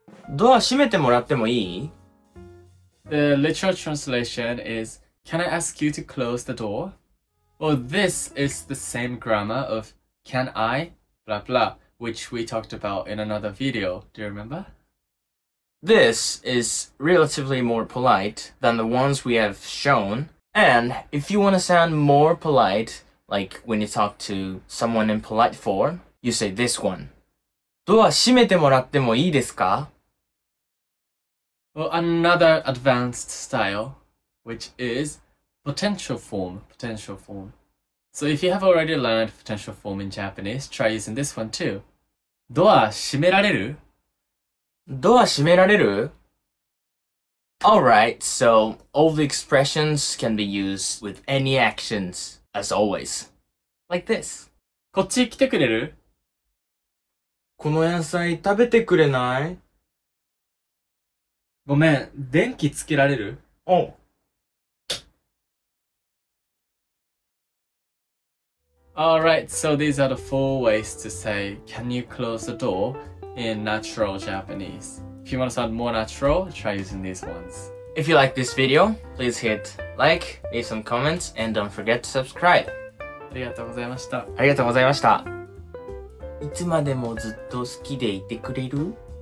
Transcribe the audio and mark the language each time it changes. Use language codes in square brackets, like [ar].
[ja] ドア閉めてもらってもいい? [en] The literal translation is, can I ask you to close the door? Well, this is the same grammar of can I, blah blah. Which we talked about in another video, do you remember? This is relatively more polite than the ones we have shown. And if you want to sound more polite, like when you talk to someone in polite form, you say this one. [ja] ドア閉めてもらってもいいですか? [en] Well, another advanced style, which is potential form. So if you have already learned potential form in Japanese, try using this one too. [ja] ドア閉められる?ドア閉められる? [en] Alright, so all the expressions can be used with any actions, as always. Like this. [ja] こっち来てくれる? この野菜食べてくれない? ごめん、電気つけられる? おう。 [en] Alright, so these are the four ways to say, can you close the door in natural Japanese. If you want to sound more natural, try using these ones. If you like this video, please hit like, leave some comments, and don't forget to subscribe. [ja] ありがとうございました。ありがとうございました。いつまでもずっと好きでいてくれる?